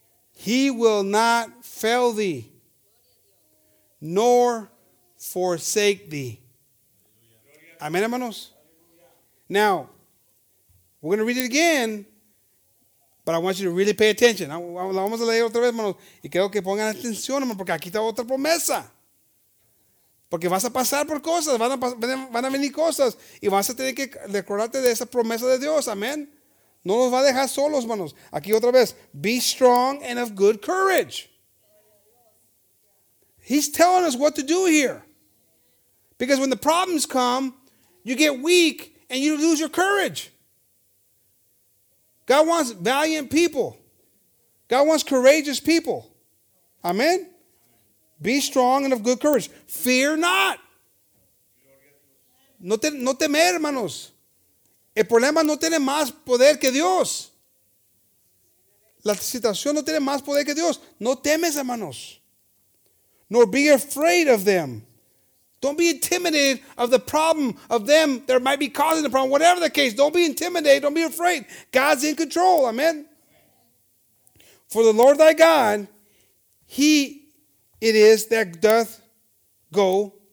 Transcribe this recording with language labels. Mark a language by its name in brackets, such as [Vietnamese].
[English] He will not fail thee, nor forsake thee. Amen, hermanos. Now, we're going to read it again, but I want you to really pay attention. [Spanish] Vamos a leer otra vez, hermanos. Y quiero que pongan atención, hermanos, porque aquí está otra promesa. Porque vas a pasar por cosas, van a venir cosas, y vas a tener que recordarte de esa promesa de Dios. Amén. No nos va a dejar solos, hermanos. Aquí otra vez. [English] Be strong and of good courage. He's telling us what to do here. Because when the problems come, you get weak and you lose your courage. God wants valiant people. God wants courageous people. Amen. Be strong and of good courage. Fear not. [Spanish] No temer, hermanos. El problema no tiene más poder que Dios. La situación no tiene más poder que Dios. No temes, hermanos. [English] Nor be afraid of them. Don't be intimidated of the problem of them that might be causing the problem. Whatever the case, don't be intimidated. Don't be afraid. God's in control. Amen. For the Lord thy God, he it is that doth go